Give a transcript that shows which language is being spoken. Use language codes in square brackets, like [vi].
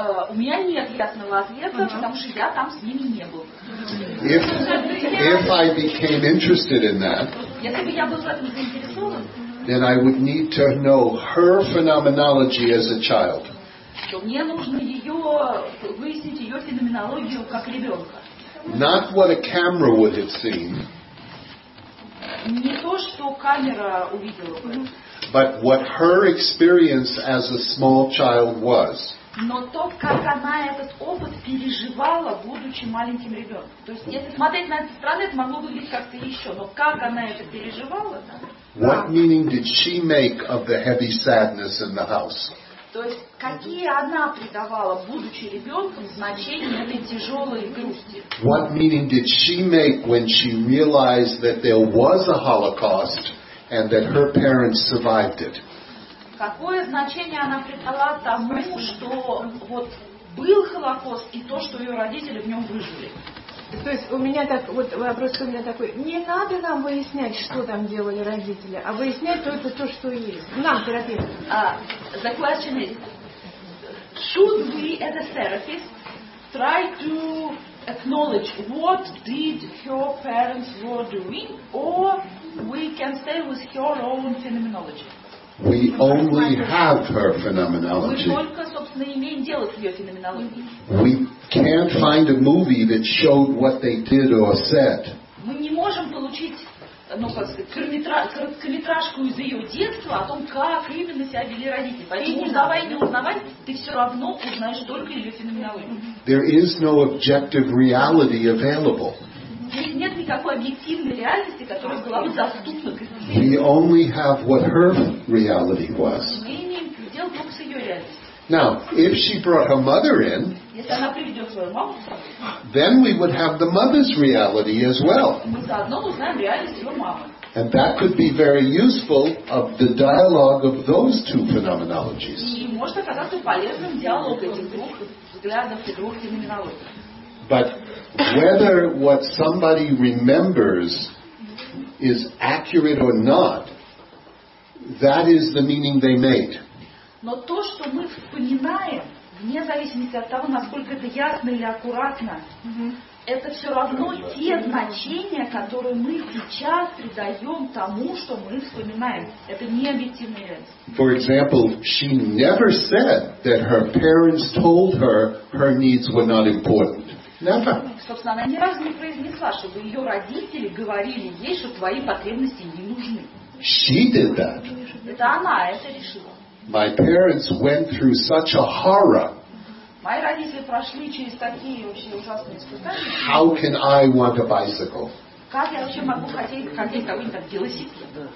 [ru] У меня нет ясного ответа, потому что я там с ними не был. [en] If I became interested in that, then I would need to know her phenomenology as a child. [ru] То мне нужно выяснить ее феноменологию как ребенка. [en] Not what a camera would have seen. [ru] Не то, что камера увидела. [en] But what her experience as a small child was. [ru] Но то, как она этот опыт переживала, будучи маленьким ребенком. То есть, если смотреть на эту страну, это могло выглядеть как-то еще. Но как она это переживала, да? [en] What meaning did she make of the heavy sadness in the house? [ru] То есть, какие она придавала, будучи ребенком, значение этой тяжелой грусти? [en] What meaning did she make when she realized that there was a Holocaust and that her parents survived it? [ru] Какое значение она придала тому, что вот был Холокост и то, что ее родители в нем выжили? То есть у меня так, вот вопрос у меня такой, не надо нам выяснять, что там делали родители, а выяснять только то, что есть. Нам, терапевт. [en] The question is, should we as a therapist try to acknowledge what did her parents were doing, or we can stay with her own phenomenology? We only have her phenomenology. [ru] Мы только, собственно, имеем дело с ее феноменологией. [en] We can't find a movie that showed what they did or said. [ru] Мы не можем получить, ну как сказать, короткометражку из ее детства о том, как именно себя вели родители. Поэтому давай не узнавать, ты все равно узнаешь только ее феноменологию. [en] There is no objective reality available. [ru] Нет никакой объективной реальности, которая была бы доступна к измерению. [en] We only have what her reality was. [ru] Мы имеем предел только с ее реальностью. [en] Now, if she brought her mother in, [ru] если она приведет свою маму, [en] then we would have the mother's reality as well. [ru] Мы заодно узнаем реальность ее мамы. [en] And that could be very useful of the dialogue of those two phenomenologies. [ru] И может оказаться полезным диалог этих двух взглядов и двух феноменологий. [en] But whether what somebody remembers is accurate or not, that is the meaning they made. [ru] Но то, что мы вспоминаем, вне зависимости от того, насколько это ясно или аккуратно, это все равно те значения, которые мы сейчас придаем тому, что мы вспоминаем. Это не объективная реальность. [en] For example, she never said that her parents told her her needs were not important. Never. [ru] Собственно, она ни разу не произнесла, чтобы ее родители говорили ей, что твои потребности не нужны. [en] She did that. [ru] Это она это решила. [en] My parents went through such a horror. [ru] Мои родители прошли через такие очень ужасные испытания. [en] How can I want a bicycle? [ru] Как я вообще могу хотеть какой-нибудь велосипед?